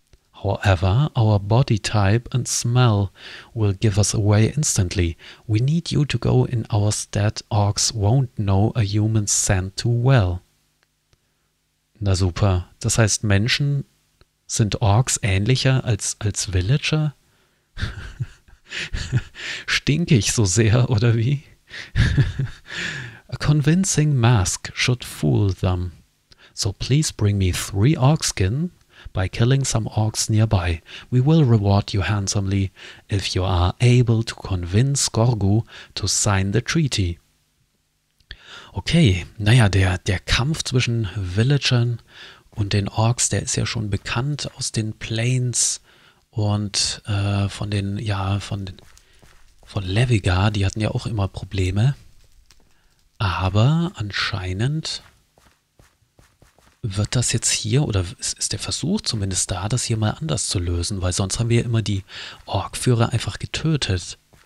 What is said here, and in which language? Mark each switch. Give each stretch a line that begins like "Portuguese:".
English: However, our body type and smell will give us away instantly. We need you to go in our stead. Orcs won't know a human scent too well.
German: Na super. Das heißt, Menschen sind Orks ähnlicher als Villager? Stink ich so sehr, oder wie?
English: A convincing mask should fool them. So please bring me 3 orc skin by killing some orcs nearby. We will reward you handsomely if you are able to convince Gorgu to sign the treaty.
German: Okay, naja, der Kampf zwischen Villagern und den Orks, der ist ja schon bekannt aus den Plains und von Levigar, die hatten ja auch immer Probleme. Aber anscheinend wird das jetzt hier, oder ist der Versuch zumindest da, das hier mal anders zu lösen, weil sonst haben wir immer die Orkführer einfach getötet.